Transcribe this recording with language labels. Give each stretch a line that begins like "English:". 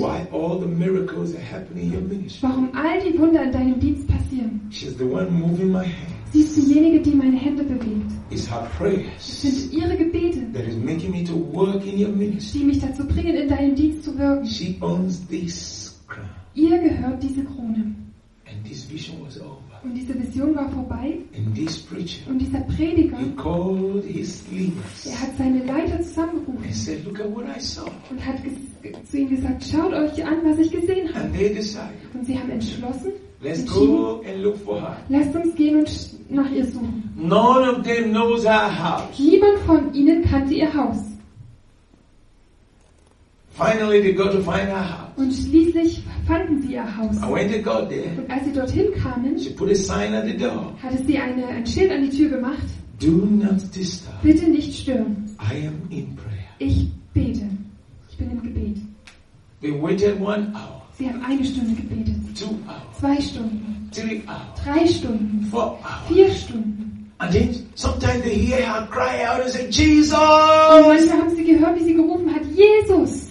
English: why all the miracles are happening in your ministry.
German: Warum all die Wunder in deinem Dienst passieren.
English: She is the one moving my hands.
German: Sie ist diejenige, die meine Hände bewegt.
English: It's her prayers.
German: Es sind ihre Gebete,
English: that is making me to work in your ministry.
German: Die mich dazu bringen, in deinem Dienst zu wirken.
English: She owns this crown.
German: Ihr gehört diese Krone.
English: And this vision was over.
German: Und diese Vision war vorbei.
English: And this preacher,
German: und dieser Prediger,
English: he called his leaders,
German: er hat seine Leiter zusammengerufen
English: and said, look at what I saw.
German: Und hat zu ihnen gesagt, schaut euch an, was ich gesehen habe.
English: And they decided,
German: und sie haben entschlossen,
English: let's go and look for her.
German: Lasst uns gehen und nach ihr suchen.
English: None of them knows her house.
German: Niemand von ihnen kannte ihr Haus.
English: Finally they got to find her house.
German: Und schließlich fanden sie ihr Haus.
English: And when they got there,
German: und als sie dorthin kamen,
English: she put a sign at the door,
German: hatte sie ein Schild an die Tür gemacht.
English: Do not disturb.
German: Bitte nicht stören.
English: I am in prayer.
German: Ich bete. Ich bin im Gebet.
English: They waited 1 hour.
German: Sie haben eine Stunde gebetet.
English: 2 hours.
German: 2 Stunden.
English: 3 hours.
German: 3 Stunden.
English: 4 hours.
German: 4 Stunden.
English: And then sometimes they hear her cry out and say, Jesus!
German: Und manchmal haben sie gehört, wie sie gerufen hat, Jesus!